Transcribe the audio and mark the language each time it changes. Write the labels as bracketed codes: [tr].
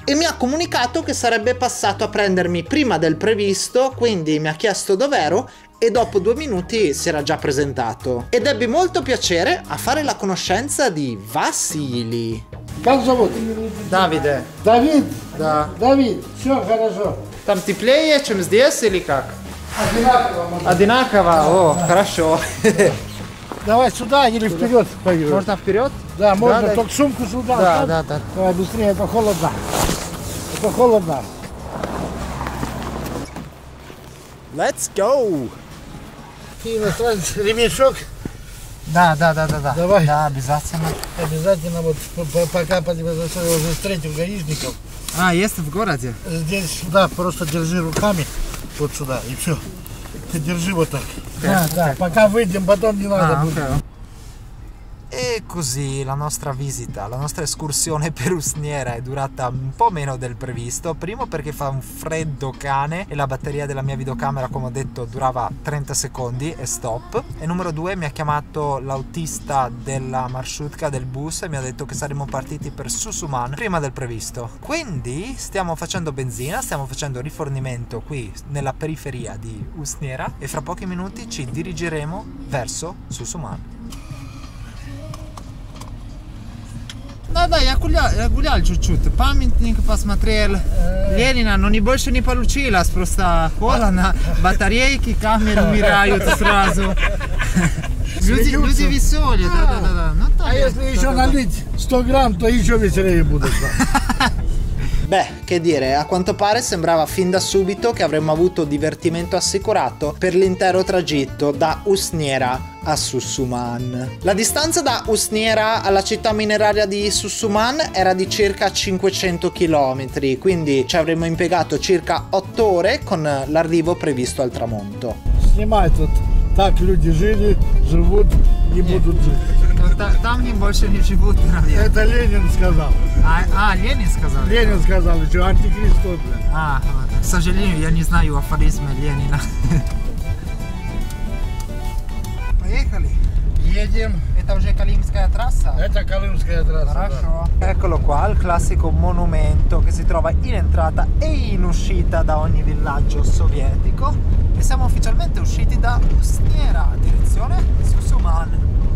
[it] E mi ha comunicato che sarebbe passato a prendermi prima del previsto, quindi mi ha chiesto dov'ero e dopo 2 minuti si era già presentato. Ed ebbi molto piacere a fare la conoscenza di Vasili. Davide. David. [ru] Da. David. Ciao, хорошо. Там ты плеешь, здесь или как? Одинаково. О, хорошо. Давай сюда или вперед. Можно вперед? Да, можно, только сумку сюда. Да, да, да. Давай быстрее, это холодно. Холодно. [en] Let's go. [ru] Ремешок. Да, да, да, да, да. Давай. Да, обязательно. Обязательно вот пока подвезу уже встретим гаишников. А, есть в городе? Здесь, да, просто держи руками вот сюда и все. Ты держи вот так. Okay. Да, да. Okay. Пока выйдем, потом не надо будет. Эй, [it] così la nostra visita, la nostra escursione per Usniera è durata un po' meno del previsto. Primo perché fa un freddo cane e la batteria della mia videocamera, come ho detto, durava 30 secondi e stop. E numero due, mi ha chiamato l'autista della marshutka del bus e mi ha detto che saremmo partiti per Susuman prima del previsto. Quindi stiamo facendo benzina, stiamo facendo rifornimento qui nella periferia di Usniera e fra pochi minuti ci dirigeremo verso Susuman. [ru] Да, да, я гулял чуть-чуть, памятник посмотрел. Ленина, ну не больше не получилось, просто холодно, батарейки, камеры умирают сразу. Люди веселые, да-да-да. Ну, а если еще налить 100 грамм, то еще веселее будут. [it] Beh, che dire, a quanto pare sembrava fin da subito che avremmo avuto divertimento assicurato per l'intero tragitto da Usniera a Susuman. La distanza da Usniera alla città mineraria di Susuman era di circa 500 km, quindi ci avremmo impiegato circa 8 ore con l'arrivo previsto al tramonto. [ru] Снимай тут, так люди жили, живут и будут жить. Там не больше не живут, наверное. Это Ленин сказал. А Ленин сказал? Ленин сказал, что антихрист тот. К сожалению, я не знаю афоризмы Ленина. Поехали. Едем. Это уже Калимская трасса? Это Калимская трасса. Хорошо. Да. [it] Eccolo qua, il classico monumento che si trova in entrata e in uscita da ogni villaggio sovietico. E siamo ufficialmente usciti da Usniera, direzione Susuman.